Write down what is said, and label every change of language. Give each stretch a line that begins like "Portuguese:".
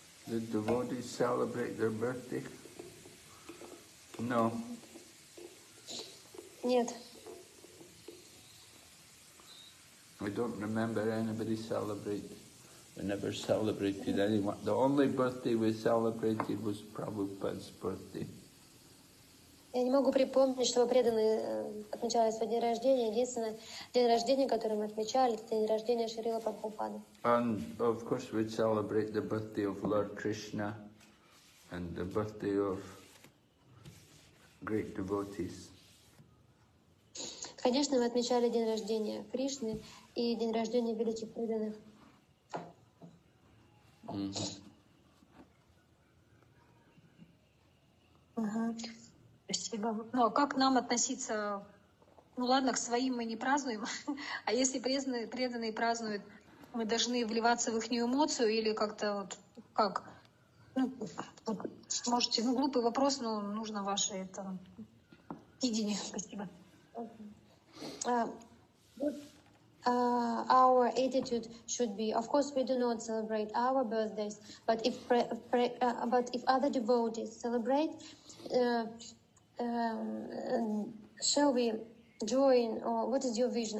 English: Did devotees celebrate their birthday? No.
Russian: Нет.
English: I don't remember anybody celebrate. We never celebrated anyone. The only birthday we celebrated was Prabhupada's birthday.
Russian: Я не могу припомнить, чтобы преданные отмечали свой день рождения. Единственное день рождения, который мы отмечали, это день рождения Шрилы Прабхупады.
English: And of course we celebrate the birthday of Lord Krishna and the birthday of great devotees.
Russian: Конечно, мы отмечали день рождения Кришны и день рождения великих преданных. Угу. Спасибо. Ну а как нам относиться? Ну ладно, к своим мы не празднуем. А если преданные празднуют, мы должны вливаться в их эмоцию или как-то вот как? Ну, можете, ну глупый вопрос, но нужно ваше это видение. Спасибо.
English: Our attitude should be, of course, we do not celebrate our birthdays, but if other devotees celebrate, shall we join, or what is your vision?